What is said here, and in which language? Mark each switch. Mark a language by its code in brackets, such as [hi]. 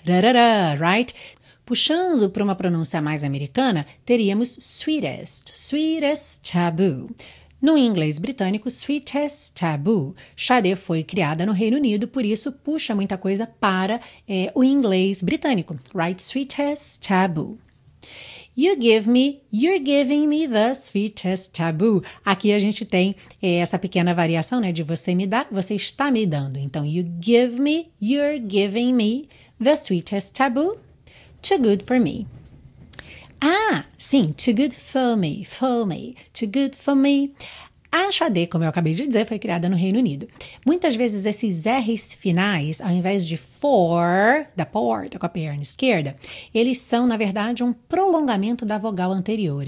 [pt] Rarara, [en] right? [pt] Puxando para uma pronúncia mais americana, teríamos sweetest. [en] Sweetest taboo. [pt] No inglês britânico, [en] sweetest taboo. [pt] Sade foi criada no Reino Unido, por isso puxa muita coisa para o inglês britânico. [en] Right? Sweetest taboo. You're giving me the sweetest taboo. [pt] Aqui a gente tem essa pequena variação, né? De você me dá, você está me dando. [en] Então, you give me, you're giving me the sweetest taboo. Too good for me. [pt] Ah, sim, [en] too good for me, too good for me. [pt] A Sade, como eu acabei de dizer, foi criada no Reino Unido. Muitas vezes esses R's finais, ao invés de for, da porta com a perna esquerda, eles são, na verdade, um prolongamento da vogal anterior.